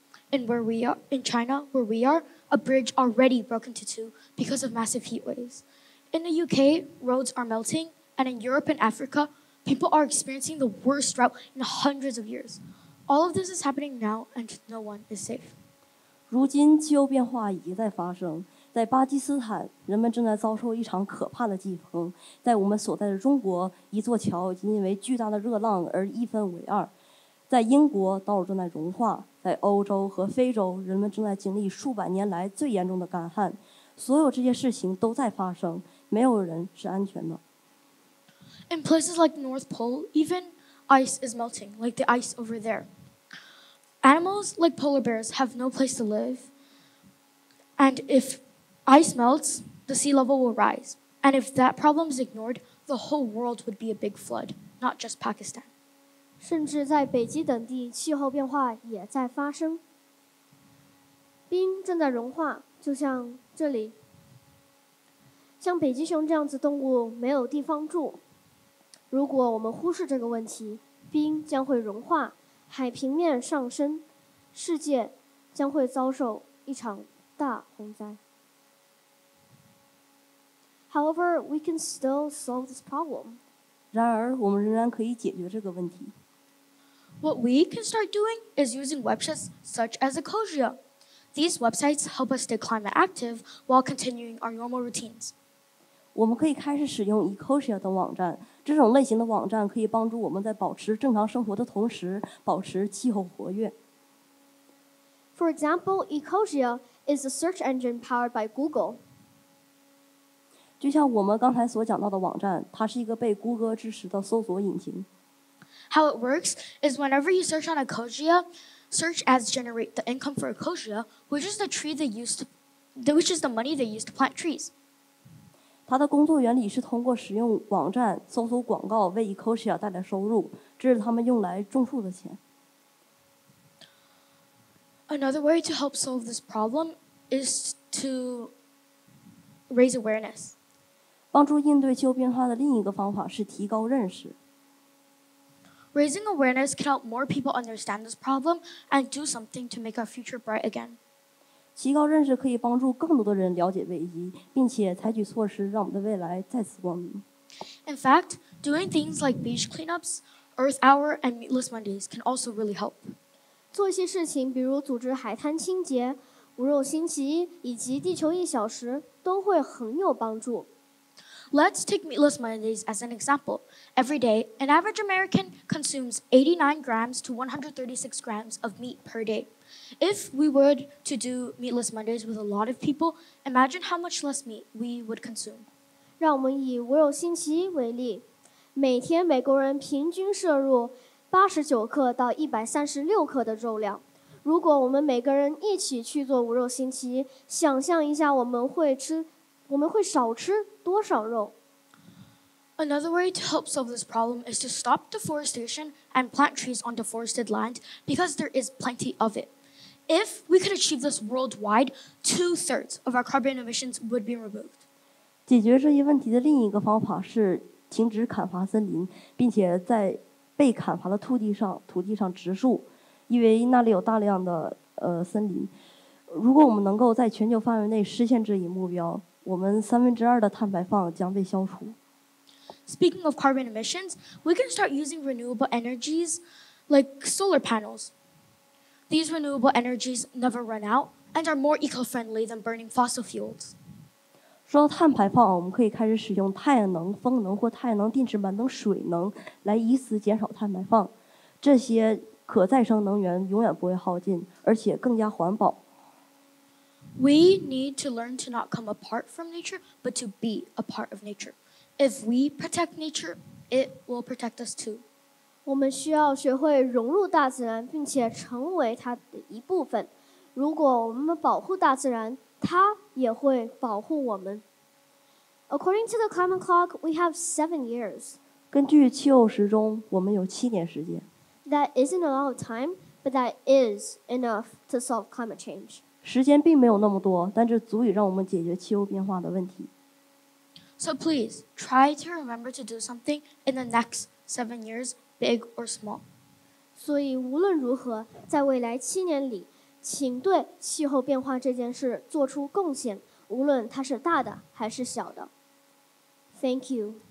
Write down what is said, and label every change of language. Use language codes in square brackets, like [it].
[en] And where we are, in China, where we are, a bridge already broke into two because of massive heat waves. In the UK, roads are melting, and in Europe and Africa, people are experiencing the worst drought in hundreds of years. All of this is happening now, and no one is safe. [zh] 如今气候变化已经在发生，在巴基斯坦，人们正在遭受一场可怕的季风；在我们所在的中国，一座桥已经因为巨大的热浪而一分为二；在英国，道路正在融化；在欧洲和非洲，人们正在经历数百年来最严重的干旱。所有这些事情都在发生，没有人是安全的。 [en] In places like the North Pole, even ice is melting, like the ice over there. Animals like polar bears have no place to live. And if ice melts, the sea level will rise. And if that problem is ignored, the whole world would be a big flood, not just Pakistan. [zh] 甚至在北极等地，气候变化也在发生。冰正在融化，就像这里。像北极熊这样子动物没有地方住。如果我们忽视这个问题，冰将会融化。海平面上升，世界将会遭受一场大洪灾。 [en] However, we can still solve this problem. [zh] 然而，我们仍然可以解决这个问题。 [en] What we can start doing is using websites such as Ecosia. These websites help us stay climate active while continuing our normal routines. [zh] 我们可以开始使用 Ecosia 等网站。这种类型的网站可以帮助我们在保持正常生活的同时保持气候活跃。 [en] For example, Ecosia is a search engine powered by Google. [zh] 就像我们刚才所讲到的网站，它是一个被谷歌支持的搜索引擎。 [en] How it works is whenever you search on Ecosia, search ads generate the income for Ecosia, which is the tree they used, which is the money they used to plant trees. [zh] 它的工作原理是通过使用网站搜索广告为 Ecosia 带来收入，这是他们用来种树的钱。 [en] Another way to help solve this problem is to raise awareness. [zh] 帮助应对气候变化的另一个方法是提高认识。 [en] Raising awareness can help more people understand this problem and do something to make our future bright again. [zh] 提高认识可以帮助更多的人了解危机，并且采取措施让我们的未来再次光明。 [en] In fact, doing things like beach cleanups, Earth Hour, and Meatless Mondays can also really help. [zh] 做一些事情，比如组织海滩清洁、无肉星期一以及地球一小时，都会很有帮助。 [en] Let's take Meatless Mondays as an example. Every day, an average American consumes 89 grams to 136 grams of meat per day. If we were to do Meatless Mondays with a lot of people, imagine how much less meat we would consume. [zh] 让我们以无肉星期一为例，每天美国人平均摄入89克到136克的肉量。如果我们每个人一起去做无肉星期一，想象一下我们会吃我们会少吃多少肉。 [en] Another way to help solve this problem is to stop deforestation and plant trees on deforested land because there is plenty of it. If we could achieve this worldwide, 2/3 of our carbon emissions would be removed. [zh] 解决这一问题的另一个方法是停止砍伐森林，并且在被砍伐的土地上植树，因为那里有大量的森林。如果我们能够在全球范围内实现这一目标，我们三分之二的碳排放将被消除。 [en] Speaking of carbon emissions, we can start using renewable energies like solar panels. These renewable energies never run out and are more eco-friendly than burning fossil fuels. [zh] 说到碳排放，我们可以开始使用太阳能、风能或太阳能电池板等水能来以此减少碳排放。这些可再生能源永远不会耗尽，而且更加环保。 [en] We need to learn to not come apart from nature, but to be a part of nature. If we protect nature, it will protect us too. [zh] 我们需要学会融入大自然，并且成为它的一部分。如果我们保护大自然，它也会保护我们。 [en] According to the climate clock, we have 7 years. [zh] 根据气候时钟，我们有7年时间。 [en] That isn't a lot of time, but that is enough to solve climate change. [zh] 时间并没有那么多，但这足以让我们解决气候变化的问题。 [en] So please, try to remember to do something in the next 7 years, big or small. [zh] 所以无论如何，在未来7年里，请对气候变化这件事做出贡献，无论它是大的还是小的。 [en] Thank you.